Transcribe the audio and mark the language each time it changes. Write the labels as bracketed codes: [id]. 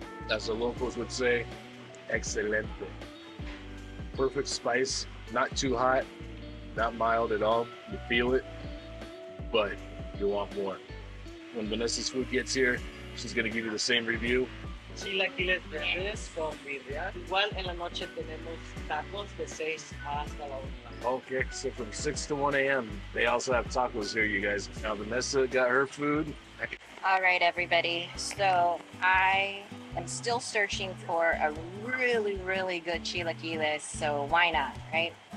[en] As the locals would say, excelente. Perfect spice, not too hot, not mild at all. You feel it, but you want more. When Vanessa's food gets here, she's gonna give you the same review. [es] Chilaquiles verdes con birria. Igual en la noche tenemos tacos de 6 hasta la 1. [en] Okay, so from 6 to 1 a.m., they also have tacos here, you guys. Now, Vanessa got her food. All right, everybody. So, I am still searching for a really, really good chilaquiles, so why not, right?